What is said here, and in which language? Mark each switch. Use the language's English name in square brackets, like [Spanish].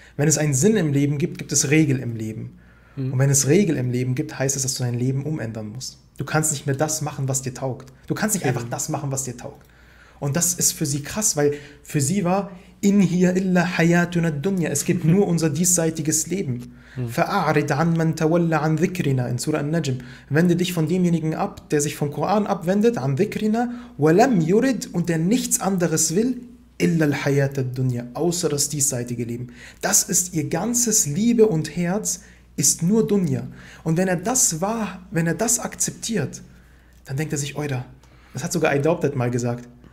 [German] Wenn es einen Sinn im Leben gibt, gibt es Regel im Leben. Mhm. Und wenn es Regel im Leben gibt, heißt es, dass du dein Leben umändern musst. Du kannst nicht mehr das machen, was dir taugt. Du kannst nicht einfach das machen, was dir taugt. Und das ist für sie krass, weil für sie war, in hier [Arabic] illa hayatuna dunya, [German] es gibt nur unser diesseitiges Leben. [Arabic] فَأَعْرِدْ عَنْ مَنْ تَوَلَّ عَنْ ذِكْرِنَا [German] in Surah An-Najm. Wende dich von demjenigen ab, der sich vom Koran abwendet, [Arabic] عَنْ ذِكْرِنَا وَلَمْ يُرِدْ [German] und der nichts anderes will, [Arabic] إِلَّا الْحَيَاتَ الدُّنْيَا, [German] außer das diesseitige Leben. Das ist ihr ganzes Liebe und Herz, ist nur Dunya. Und wenn er das akzeptiert, dann denkt er sich, oida, das hat sogar Adopted mal gesagt,